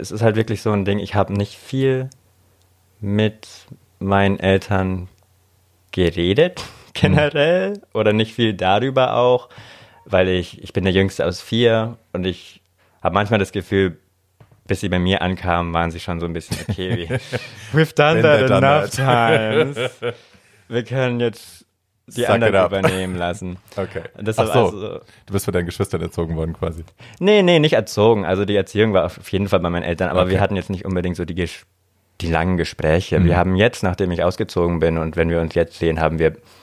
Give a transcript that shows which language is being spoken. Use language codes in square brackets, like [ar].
[de] Es ist halt wirklich so ein Ding, ich habe nicht viel mit meinen Eltern geredet. Generell oder nicht viel darüber auch, weil ich bin der Jüngste aus vier und ich habe manchmal das Gefühl, bis sie bei mir ankamen, waren sie schon so ein bisschen okay, [en] we've done that enough times. [de] Wir können jetzt die Suck anderen übernehmen lassen. Okay. Das Ach so, also, du bist von deinen Geschwistern erzogen worden quasi. Nee, nicht erzogen. Also die Erziehung war auf jeden Fall bei meinen Eltern, aber wir hatten jetzt nicht unbedingt so die langen Gespräche. Mhm. Wir haben jetzt, nachdem ich ausgezogen bin und wenn wir uns jetzt sehen, haben wir